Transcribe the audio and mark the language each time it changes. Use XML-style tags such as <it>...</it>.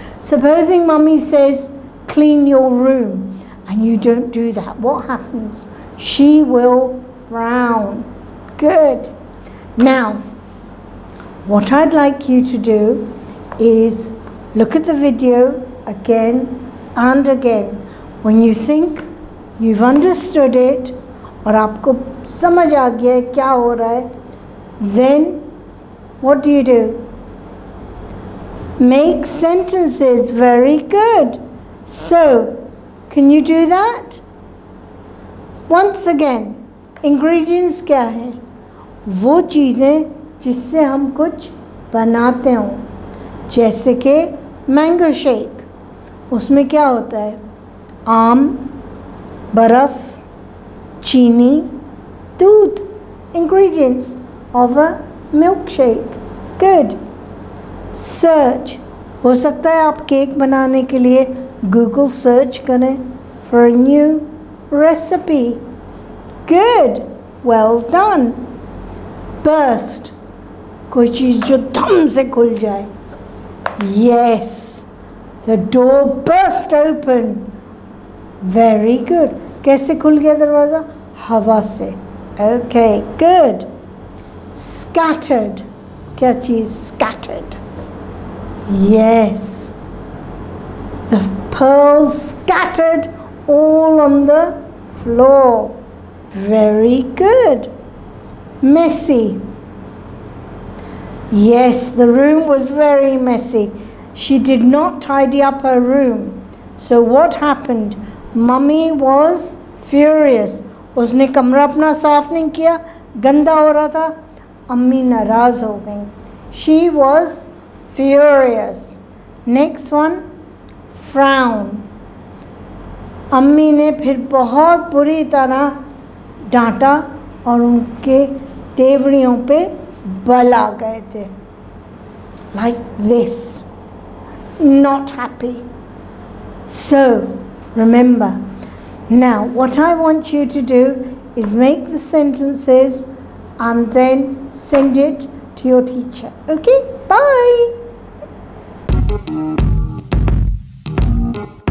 <en>Supposing mummy says, clean your room, and you don't do that. What happens? She will frown. Good. Now, what I'd like you to do is look at the video again and again. When you think you've understood it,</en> <ur>اور آپکو سمجھ آ گیا کیا ہو رہا ہے,</ur> <en>then what do? Make sentences. Very good. So, can you do that? Once again, ingredients</en> <ur>کیا ہے؟ وہ چیزیں جسسے ہم کچھ بناتے ہو۔ جیسے کے mango shake. اسمے کیا ہوتا ہے؟ آم، برف، چینی، دودھ۔</ur> <en>Ingredients of a milkshake. Good. Search.</en> <ur>ہو سکتا ہے آپ cake بنانے کے لیے Google search کرے</ur> <en>for a new recipe. Good. Well done. Burst.</en> <ur>Koi cheez jo dham se khul jaye. Yes.</ur> <en>The door burst open. Very good.</en> <ur>کیسے کھل گیا دروازہ؟ ہوا سے۔</ur> <en>Okay, good. Scattered.</en> <ur>Kya cheez?</ur> <en>Scattered. Yes. The pearls scattered all on the floor. Very good. Messy. Yes, the room was very messy. She did not tidy up her room. So what happened? Mummy was furious.</en> <ur>اسنے کمرہ اپنا صاف نہیں کیا۔ گندا ہو رہا تھا۔ امی ناراض ہو گئی۔</ur> <en>She was furious. Next one, frown.</en> <ur>امی نے پھر بہت بری طرح ڈانٹا اور انکے تیوریوں پے بلا گئے تھے۔</ur> <en>Like this. Not happy. So, remember. Now, what I want you to do is make the sentences and then send it to your teacher.</en>